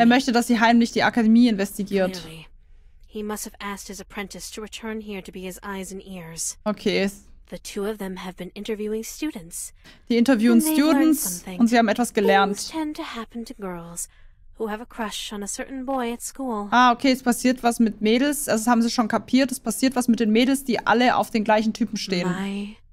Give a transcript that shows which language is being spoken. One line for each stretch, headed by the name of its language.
German: Er möchte, dass sie heimlich die Akademie investigiert.
English: He must have asked his apprentice to return here to be his eyes and ears. Okay. The two of them have been interviewing students.
German: Die interviewen Students und sie haben etwas gelernt.
English: Things tend to happen to girls who have a crush on a certain boy at school.
German: Ah, okay, es passiert was mit Mädels. Also, das haben sie schon kapiert. Es passiert was mit den Mädels, die alle auf den gleichen Typen stehen.